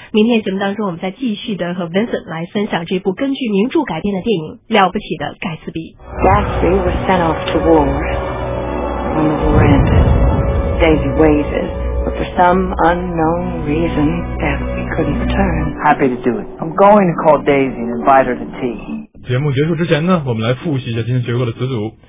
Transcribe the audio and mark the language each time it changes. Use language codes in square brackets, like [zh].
[zh] 明天节目当中我们再继续的和 Vincent 来分享这部根据名著改编的电影《了不起的盖茨比》。 [en] Gatsby was sent off to war. When the war ended, Daisy waited, but for some unknown reason, Gatsby couldn't return. Happy to do it. I'm going to call Daisy and invite her to tea. [zh] 节目结束之前呢，我们来复习一下今天学过的词组。